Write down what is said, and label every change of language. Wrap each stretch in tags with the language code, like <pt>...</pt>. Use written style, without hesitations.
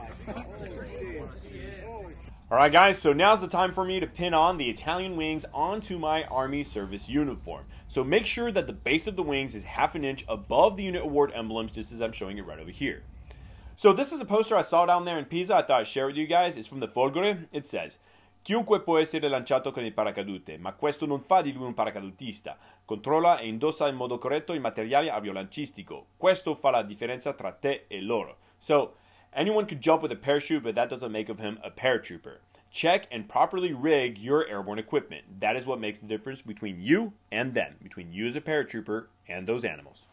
<en>All right, guys, so now's the time for me to pin on the Italian wings onto my Army service uniform. So make sure that the base of the wings is half an inch above the unit award emblems, just as I'm showing it right over here. So this is a poster I saw down there in Pisa. I thought I'd share it with you guys. It's from the Folgore. It says,</en> <it>"Chiunque può essere lanciato con il paracadute, ma questo non fa di lui un paracadutista. Controlla e indossa in modo corretto il materiale aviolancistico. Questo fa la differenza tra te e loro."</it> <en>So, anyone could jump with a parachute, but that doesn't make of him a paratrooper. Check and properly rig your airborne equipment. That is what makes the difference between you and them, between you as a paratrooper and those animals.</en>